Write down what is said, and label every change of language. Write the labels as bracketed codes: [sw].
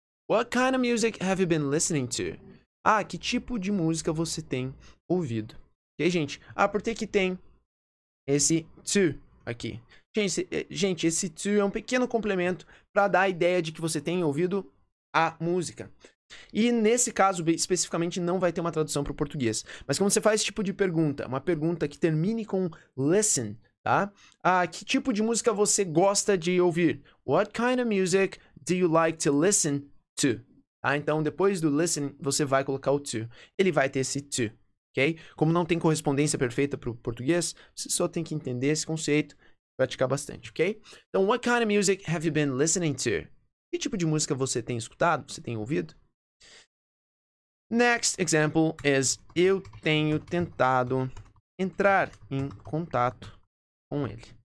[en] What kind of music have you been listening to? [pt] Ah, que tipo de música você tem ouvido? Ok, gente? Ah, por que tem esse to aqui? Gente, esse to é um pequeno complemento para dar a ideia de que você tem ouvido a música. E nesse caso, especificamente, não vai ter uma tradução para o português. Mas quando você faz esse tipo de pergunta, uma pergunta que termine com listen, tá? Ah, que tipo de música você gosta de ouvir? [en] What kind of music do you like to listen to? [pt] Ah, então, depois do listening, você vai colocar o to. Ele vai ter esse to, ok? Como não tem correspondência perfeita para o português, você só tem que entender esse conceito e praticar bastante, ok? [en] Então, what kind of music have you been listening to? [pt] Que tipo de música você tem escutado, você tem ouvido? [en] Next example is, [pt] eu tenho tentado entrar em contato com ele.